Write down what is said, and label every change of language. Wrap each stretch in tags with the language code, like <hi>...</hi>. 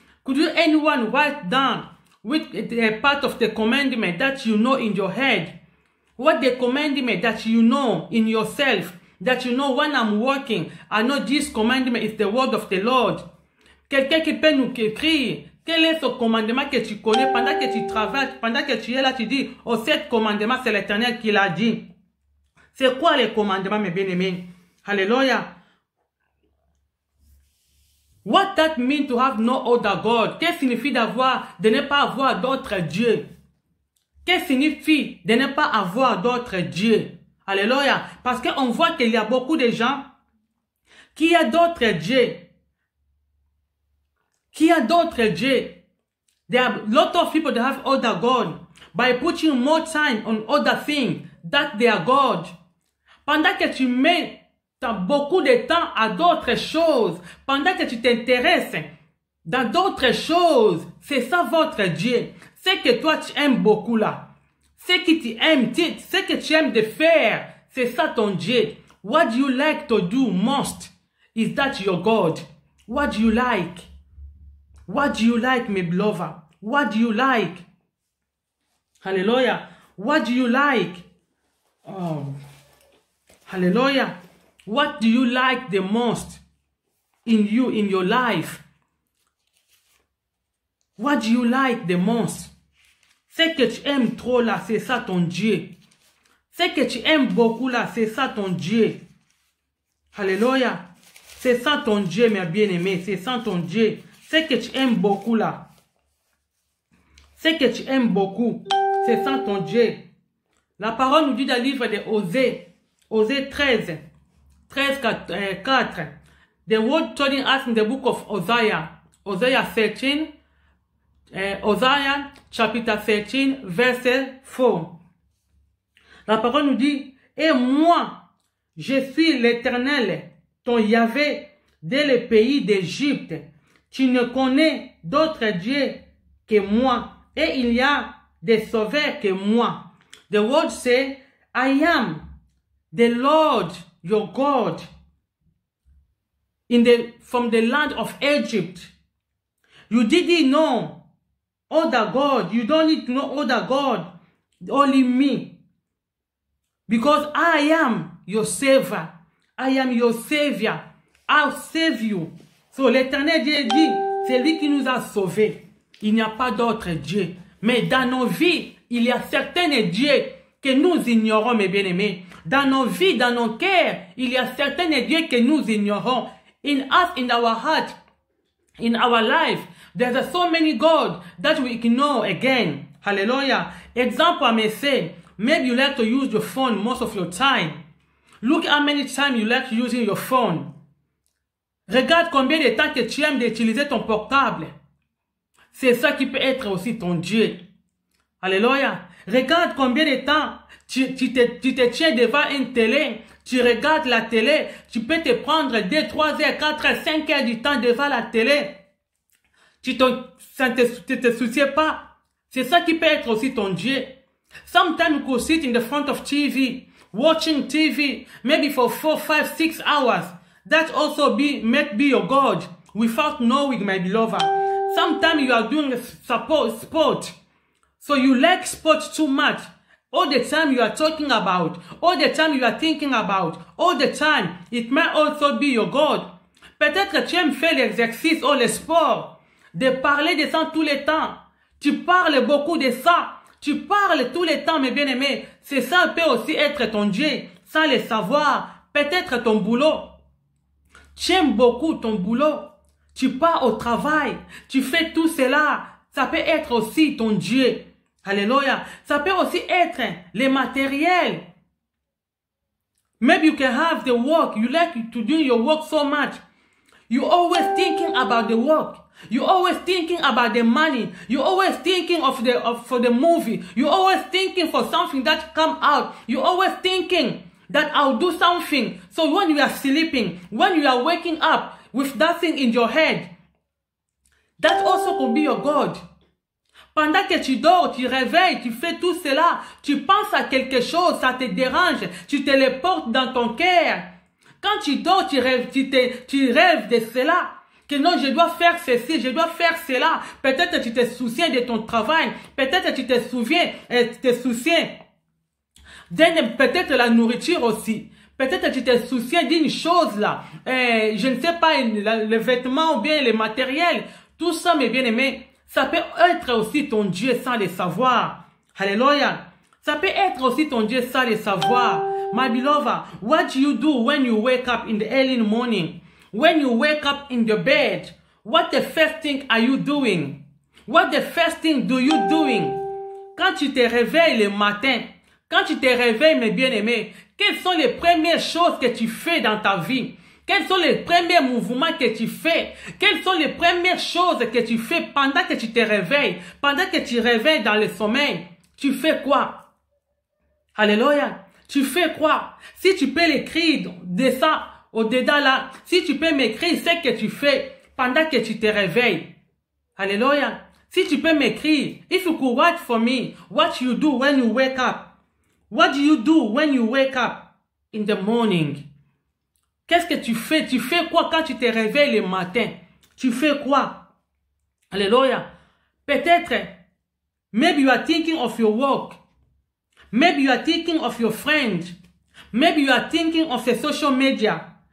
<en>Could you anyone write down with the part of the commandment that you know in your head? What the commandment that you know in yourself, that you know when I'm walking, I know this commandment is the word of the Lord.</en> <fr>Quelqu'un qui peut nous écrire, quel est ce commandement que tu connais pendant que tu travailles, pendant que tu es là, tu dis, oh, cet commandement, c'est l'Éternel qui l'a dit. C'est quoi le commandement, mes bien-aimés? Alléluia.</fr> <en>What that mean to have no other God?</en> <fr>Qu'est-ce que signifie d'avoir, de ne pas avoir d'autres dieux? Qu'est-ce que signifie de ne pas avoir d'autres dieux? Alléluia. Parce qu'on voit qu'il y a beaucoup de gens qui ont d'autres dieux. Qui a d'autres dieux?</fr> <en>There are a lot of people that have other God by putting more time on other things that they are God.</en> <fr>Pendant que tu mets t'as beaucoup de temps à d'autres choses, pendant que tu t'intéresses dans d'autres choses, c'est ça votre Dieu. Ce que toi tu aimes beaucoup là, ce que tu aimes, ce que tu aimes de faire, c'est ça ton Dieu.</fr> <en>What you like to do most is that your God. What you like? What do you like, my beloved? What do you like? Hallelujah. What do you like? Hallelujah. What do you like the most in you, in your life? What do you like the most?</en> <fr>Ce que tu aimes trop là, c'est ça ton Dieu. Ce que tu aimes beaucoup là, c'est ça ton Dieu. Hallelujah. C'est ça ton Dieu, mes bien-aimés. C'est ça ton Dieu. Ce que tu aimes beaucoup là. Ce que tu aimes beaucoup. C'est ça ton Dieu. La parole nous dit dans le livre de Hosea. Hosea 13. 13, 4, 4.</fr> <en>The word telling us in the book of Hosea.</en> <fr>Hosea 13. Hosea chapitre 13, verset 4. La parole nous dit: et moi, je suis l'Éternel, ton Yahvé, dès le pays d'Égypte. Tu ne connais d'autre Dieu que moi. Et il y a des sauveurs que moi.</fr> <en>The word say, I am the Lord, your God. From the land of Egypt. You didn't know other God. You don't need to know other God. Only me. Because I am your savior. I am your savior. I'll save you.</en> <fr>So, l'Éternel Dieu dit, c'est lui qui nous a sauvés. Il n'y a pas d'autre Dieu. Mais dans nos vies, il y a certains dieux que nous ignorons, mes bien-aimés. Dans nos vies, dans nos cœurs, il y a certains dieux que nous ignorons.</fr> <en>In us, in our heart, in our life, there's so many gods that we ignore again. Hallelujah. Example, I may say, maybe you like to use your phone most of your time. Look how many times you like using your phone.</en> <fr>Regarde combien de temps que tu aimes d'utiliser ton portable. C'est ça qui peut être aussi ton Dieu. Alléluia. Regarde combien de temps tu te tiens devant une télé. Tu regardes la télé. Tu peux te prendre 2, 3 heures, 4, 5 heures du temps devant la télé. Tu te soucies pas. C'est ça qui peut être aussi ton Dieu.</fr> <en>Sometimes you could sit in the front of TV, watching TV, maybe for 4, 5, 6 hours. That also might be your God without knowing, my beloved. Sometimes you are doing sport. So you like sport too much. All the time you are talking about, all the time you are thinking about, all the time, it might also be your God.</en> <fr>Peut-être que tu aimes faire l'exercice ou le sport, de parler de ça tout le temps. Tu parles beaucoup de ça. Tu parles tout le temps, mes bien-aimés. C'est ça peut aussi être ton Dieu, sans le savoir. Peut-être ton boulot. Tu aimes beaucoup ton boulot. Tu pars au travail. Tu fais tout cela. Ça peut être aussi ton Dieu. Alléluia. Ça peut aussi être le matériel.</fr> <en>Maybe you can have the work. You like to do your work so much. You always thinking about the work. You always thinking about the money. You always thinking of for the movie. You always thinking for something that come out. You always thinking that I'll do something. So when you are sleeping, when you are waking up with that thing in your head, That also can be your God.</en> <fr>Pendant que tu dors, tu réveilles, tu fais tout cela, tu penses à quelque chose, ça te dérange, tu te le portes dans ton cœur. Quand tu dors, tu rêves de cela. Que non, je dois faire ceci, je dois faire cela. Peut-être tu te souviens de ton travail, peut-être tu te souviens, peut-être la nourriture aussi. Peut-être tu te souviens d'une chose là, je ne sais pas, le vêtement ou bien le matériel. Tout ça, mes bien-aimés, ça peut être aussi ton Dieu sans le savoir. Alléluia. Ça peut être aussi ton Dieu sans le savoir.</fr> <en>My beloved, what do you do when you wake up in the early morning? When you wake up in the bed, what the first thing are you doing? What the first thing do you doing?</en> <fr>Quand tu te réveilles le matin, quand tu te réveilles, mes bien-aimés, quelles sont les premières choses que tu fais dans ta vie? Quels sont les premiers mouvements que tu fais? Quelles sont les premières choses que tu fais pendant que tu te réveilles? Pendant que tu réveilles dans le sommeil, tu fais quoi? Alléluia! Tu fais quoi? Si tu peux l'écrire de ça au-dedans là, si tu peux m'écrire ce que tu fais pendant que tu te réveilles.</fr> <en>Alléluia!</en> <fr>Si tu peux m'écrire,</fr> <en>if you could write for me, what you do when you wake up? What do you do when you wake up in the morning?</en> <fr>Qu'est-ce que tu fais? Tu fais quoi quand tu te réveilles le matin? Tu fais quoi? Alléluia.</fr> <en>Peut-être, maybe you are thinking of your work. Maybe you are thinking of your friends. Maybe you are thinking of the social media.</en>